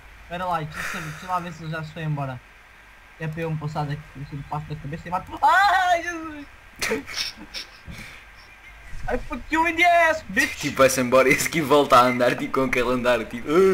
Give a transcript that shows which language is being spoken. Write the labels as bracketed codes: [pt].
[pt] Era lá, deixa lá ver se ele já se foi embora. É para eu me passar daqui, se me passo da cabeça e mato. [en] Ai, Jesus! I fuck you in the ass, bitch! [pt] Tipo, vai-se embora e esse aqui volta a andar, tipo, com aquele andar, tipo.